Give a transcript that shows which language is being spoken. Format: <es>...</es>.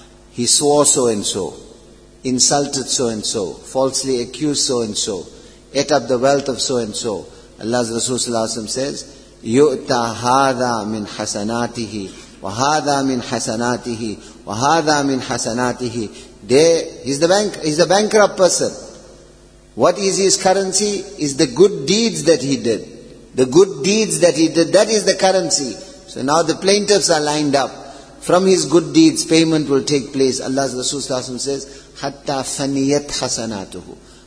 <en>He swore so and so, insulted so-and-so, falsely accused so-and-so, ate up the wealth of so-and-so. Allah's Rasul sallallahu alayhi wa sallam says,</en> <ar>يُؤْتَ هَذَا مِنْ حَسَنَاتِهِ وَهَذَا مِنْ حَسَنَاتِهِ وَهَذَا مِنْ حَسَنَاتِهِ.</ar> <en>He's the bankrupt person. What is his currency? Is the good deeds that he did. The good deeds that he did, that is the currency. So now the plaintiffs are lined up. From his good deeds, payment will take place. Allah's Rasul sallallahu alayhi wa sallam says,</en> <ar>Hatta faniyat hasanatuhu.</ar>